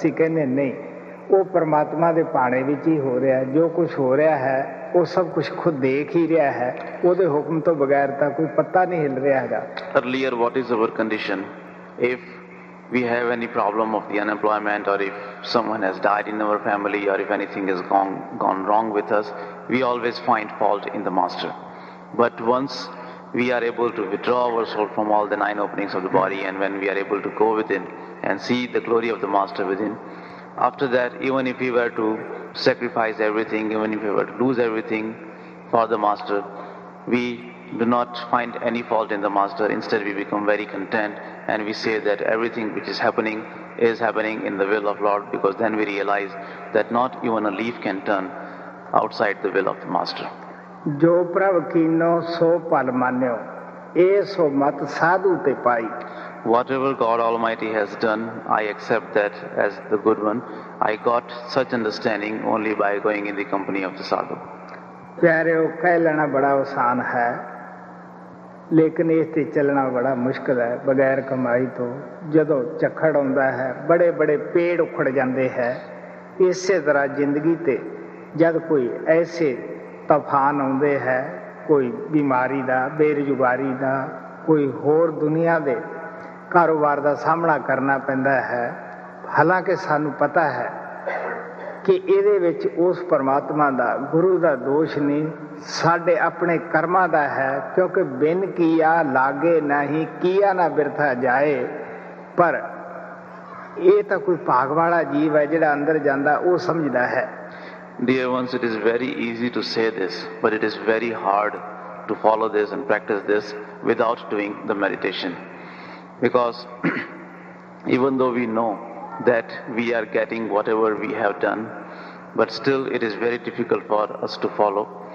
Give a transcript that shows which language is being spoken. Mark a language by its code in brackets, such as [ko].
[pa] ਅਸੀਂ ਕਹਿੰਦੇ ਨਹੀਂ, ਉਹ ਪਰਮਾਤਮਾ ਦੇ ਭਾਣੇ ਵਿੱਚ ਹੀ ਹੋ ਰਿਹਾ, ਜੋ ਕੁਛ ਹੋ ਰਿਹਾ ਹੈ ਉਹ ਸਭ ਕੁਛ ਖੁਦ ਦੇਖ ਹੀ ਰਿਹਾ ਹੈ, ਉਹਦੇ ਹੁਕਮ ਤੋਂ ਬਗੈਰ ਤਾਂ ਕੋਈ ਪੱਤਾ ਨਹੀਂ ਹਿੱਲ ਰਿਹਾ ਹੈਗਾ। [en] Earlier what is our condition if we have any problem of the unemployment or if someone has died in our family or if anything is gone wrong with us, we always find fault in the master. But once we are able to withdraw our soul from all the nine openings of the body, and when we are able to go within and see the glory of the master within, after that, even if we were to sacrifice everything, even if we were to lose everything for the master, we do not find any fault in the master. Instead, we become very content and we say that everything which is happening in the will of Lord, because then we realize that not even a leaf can turn outside the will of the master. [pa] ਜੋ ਪ੍ਰਭ ਕੀਨੋ ਸੋ ਪਲ ਮੰਨਿਓ, ਇਹ ਸੋ ਮਤ ਸਾਧੂ ਤੇ ਪਾਈ। [en] Whatever God Almighty has done, I accept that as the good one. I got such understanding only by going in the company of the sadhu. [pa] ਪਿਆਰਿਓ, ਕਹਿ ਲੈਣਾ ਬੜਾ ਆਸਾਨ ਹੈ, ਲੇਕਿਨ ਇਸ 'ਤੇ ਚੱਲਣਾ ਬੜਾ ਮੁਸ਼ਕਲ ਹੈ। ਬਗੈਰ ਕਮਾਈ ਤੋਂ ਜਦੋਂ ਚੱਖੜ ਆਉਂਦਾ ਹੈ, ਬੜੇ ਬੜੇ ਪੇੜ ਉੱਖੜ ਜਾਂਦੇ ਹੈ। ਇਸੇ ਤਰ੍ਹਾਂ ਜ਼ਿੰਦਗੀ 'ਤੇ ਜਦ ਕੋਈ ਐਸੇ ਤੂਫਾਨ ਆਉਂਦੇ ਹੈ, ਕੋਈ ਬਿਮਾਰੀ ਦਾ, ਬੇਰੁਜ਼ਗਾਰੀ ਦਾ, ਕੋਈ ਹੋਰ ਦੁਨੀਆ ਦੇ ਕਾਰੋਬਾਰ ਦਾ ਸਾਹਮਣਾ ਕਰਨਾ ਪੈਂਦਾ ਹੈ, ਹਾਲਾਂਕਿ ਸਾਨੂੰ ਪਤਾ ਹੈ ਕਿ ਇਹਦੇ ਵਿੱਚ ਉਸ ਪਰਮਾਤਮਾ ਦਾ, ਗੁਰੂ ਦਾ ਦੋਸ਼ ਨਹੀਂ, ਸਾਡੇ ਆਪਣੇ ਕਰਮਾਂ ਦਾ ਹੈ। ਕਿਉਂਕਿ ਬਿਨ ਕੀਆ ਲਾਗੇ ਨਾਹੀਂ, ਕੀਆ ਨਾ ਬਿਰਥਾ ਜਾਏ। ਪਰ ਇਹ ਤਾਂ ਕੋਈ ਭਾਗ ਵਾਲਾ ਜੀਵ ਹੈ ਜਿਹੜਾ ਅੰਦਰ ਜਾਂਦਾ ਉਹ ਸਮਝਦਾ ਹੈ। [en] Dear ones, it is very easy to say this, but it is very hard to follow this and practice this without doing the meditation. Because even though we know that we are getting whatever we have done, but still it is very difficult for us to follow.